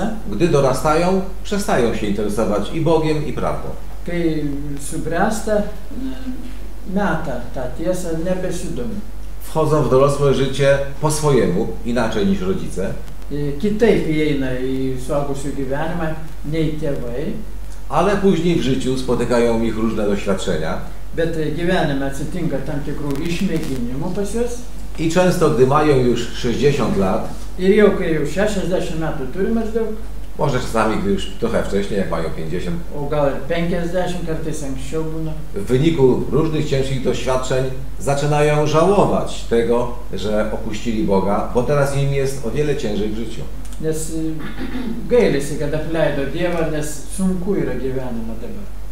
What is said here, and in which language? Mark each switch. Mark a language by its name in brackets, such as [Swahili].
[Polish] Gdy dorastają, przestają się interesować i Bogiem, i prawdą. [Lithuanian] Kai subręsta, meta ta tiesa, nebesidomi. [Polish] Wchodzą w dorosłe życie po swojemu, inaczej niż rodzice. [Lithuanian] Kitaip įeina į suaugusių gyvenimą, nei tėvai. [Polish] Ale później w życiu spotykają ich różne doświadczenia. [Lithuanian] Bet gyvenime atsitinka tam tikrų išmėginimų pas juos. [Polish] I często, gdy mają już 60 lat. [Lithuanian] Ir jau, kai jau 60 metų turi maždaug. [Polish] Może czasami, gdy już trochę wcześniej, jak mają 50. [Lithuanian] O gal 50 kartais anksčiau būna. [Polish] W wyniku różnych ciężkich doświadczeń zaczynają żałować tego, że opuścili Boga, bo teraz im jest o wiele ciężej w życiu. [Lithuanian] Nes gailisi, kad apleido Dievą, nes sunku yra gyvenimą dabar.